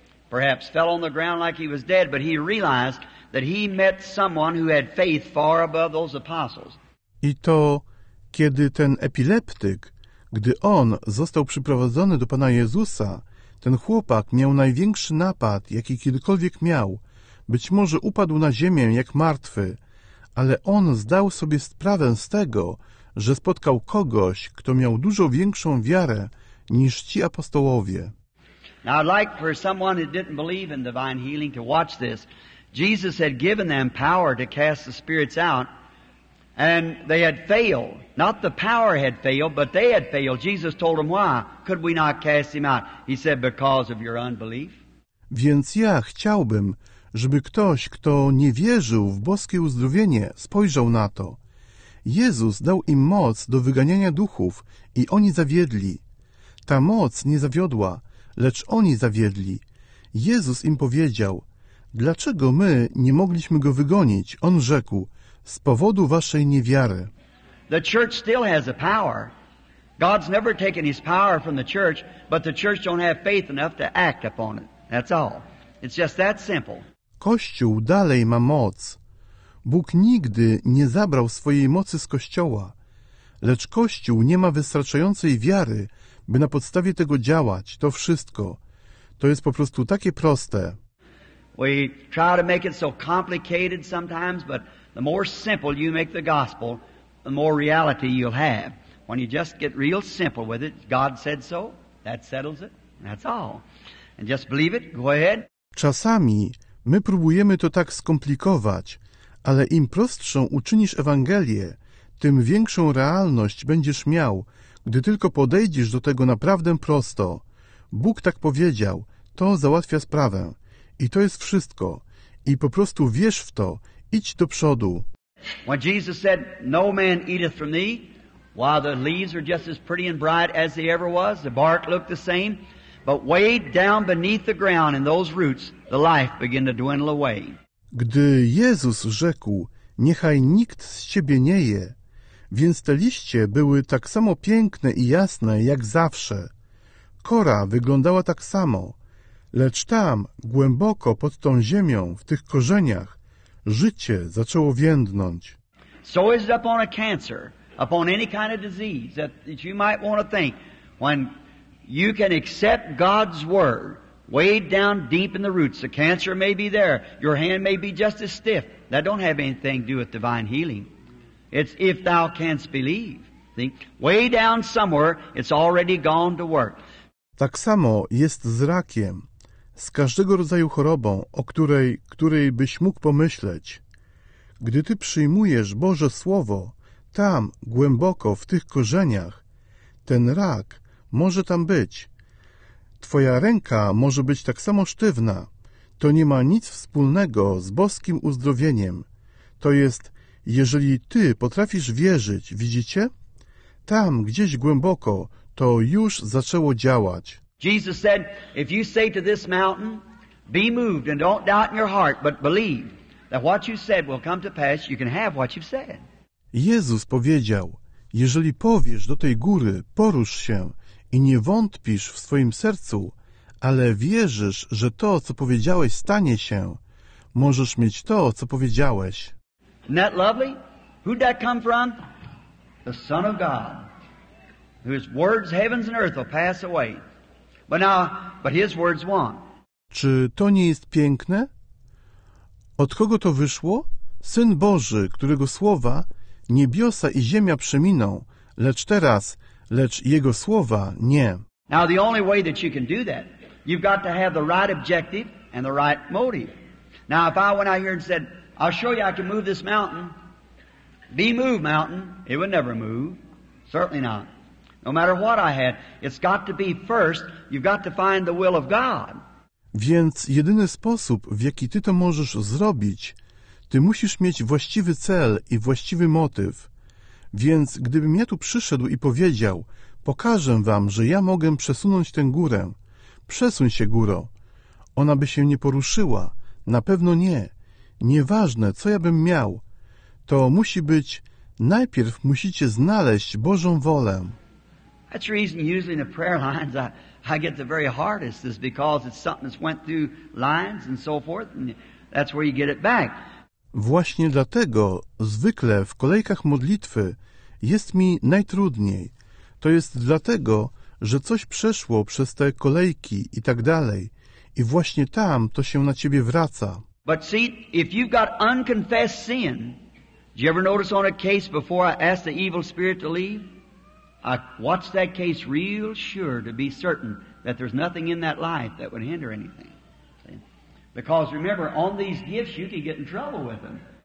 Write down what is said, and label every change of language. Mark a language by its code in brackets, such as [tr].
[en] Perhaps fell on the ground like he was dead, but he realized that he met someone who had faith far above those apostles. [pl] I to, kiedy ten epileptyk, gdy on został przyprowadzony do Pana Jezusa, ten chłopak miał największy napad, jaki kiedykolwiek miał. Być może upadł na ziemię jak martwy, ale on zdał sobie sprawę z tego, że spotkał kogoś, kto miał dużo większą wiarę niż ci apostołowie. [en] Now I'd like for someone who didn't believe in divine healing to watch this. Jesus had given them power to cast the spirits out, and they had failed. Not the power had failed, but they had failed. Jesus told them why. Could we not cast him out? He said, because of your unbelief. [pl] Więc ja chciałbym, żeby ktoś, kto nie wierzył w boskie uzdrowienie, spojrzał na to. Jezus dał im moc do wyganiania duchów i oni zawiedli. Ta moc nie zawiodła, lecz oni zawiedli. Jezus im powiedział, dlaczego my nie mogliśmy go wygonić? On rzekł, z powodu waszej niewiary. [en] The church still has the power. God's never taken his power from the church, but the church don't have faith enough to act upon it. That's all. It's just that simple. [pl] Kościół dalej ma moc. Bóg nigdy nie zabrał swojej mocy z Kościoła, lecz Kościół nie ma wystarczającej wiary, by na podstawie tego działać. To wszystko. To jest po prostu takie proste. [en] We try to make it so complicated sometimes, but the more simple you make the gospel, the more reality you'll have. When you just get real simple with it, God said so, that settles it, that's all. And just believe it, go ahead. [pl] Czasami my próbujemy to tak skomplikować, ale im prostszą uczynisz Ewangelię, tym większą realność będziesz miał, gdy tylko podejdziesz do tego naprawdę prosto. Bóg tak powiedział, to załatwia sprawę. I to jest wszystko. I po prostu wierz w to, idź do przodu. [en] When Jesus said, no man eateth from thee, while the leaves are just as pretty and bright as they ever was, the bark looked the same, but way down beneath the ground in those roots, the life began to dwindle away. [pl] Gdy Jezus rzekł, niechaj nikt z ciebie nie je, więc te liście były tak samo piękne i jasne jak zawsze. Kora wyglądała tak samo, lecz tam, głęboko pod tą ziemią, w tych korzeniach, życie zaczęło więdnąć. [en] So is it upon a cancer, upon any kind of disease that you might want to think, when you can accept God's word, way down deep in the roots, the cancer may be there, your hand may be just as stiff. That don't have anything to do with divine healing. It's if thou canst believe. Think, way down somewhere, it's already gone to work. [pl] Tak samo jest z rakiem. Z każdego rodzaju chorobą, o której byś mógł pomyśleć. Gdy ty przyjmujesz Boże Słowo, tam, głęboko, w tych korzeniach, ten rak może tam być. Twoja ręka może być tak samo sztywna. To nie ma nic wspólnego z boskim uzdrowieniem. To jest, jeżeli ty potrafisz wierzyć, widzicie? Tam, gdzieś głęboko, to już zaczęło działać. [en] Jesus said, if you say to this mountain, be moved and don't doubt in your heart, but believe that what you said will come to pass, you can have what you've said. [pl] Jezus powiedział, jeżeli powiesz do tej góry, porusz się i nie wątpisz w swoim sercu, ale wierzysz, że to, co powiedziałeś, stanie się, możesz mieć to, co powiedziałeś. [en] Isn't that lovely? Who'd that come from? The Son of God, whose words, heavens and earth, will pass away. But now, but his words won't. [pl] Czy to nie jest piękne? Od kogo to wyszło? Syn Boży, którego słowa niebiosa i ziemia przeminą, lecz teraz, lecz jego słowa nie. [en] Now the only way that you can do that, you've got to have the right objective and the right motive. Now if I went out here and said, I'll show you I can move this mountain, be moved mountain, it would never move, certainly not. No matter what I had, it's got to be first, you've got to find the will of God. [pl] Więc jedyny sposób, w jaki ty to możesz zrobić, ty musisz mieć właściwy cel i właściwy motyw. Więc gdybym ja tu przyszedł i powiedział, pokażę wam, że ja mogę przesunąć tę górę, przesuń się góro, ona by się nie poruszyła, na pewno nie. Nieważne, co ja bym miał, to musi być, najpierw musicie znaleźć Bożą wolę. [en] That's the reason usually in the prayer lines I get the very hardest is because it's something that's went through lines and so forth and that's where you get it back. [pl] Właśnie dlatego zwykle w kolejkach modlitwy jest mi najtrudniej. To jest dlatego, że coś przeszło przez te kolejki i tak dalej i właśnie tam to się na ciebie wraca. [en] But see, if you've got unconfessed sin, do you ever notice on a case before I ask the evil spirit to leave? I watch that case real sure to be certain that there's nothing in that life that would hinder anything. See? Because remember, on these gifts you can get in trouble with them.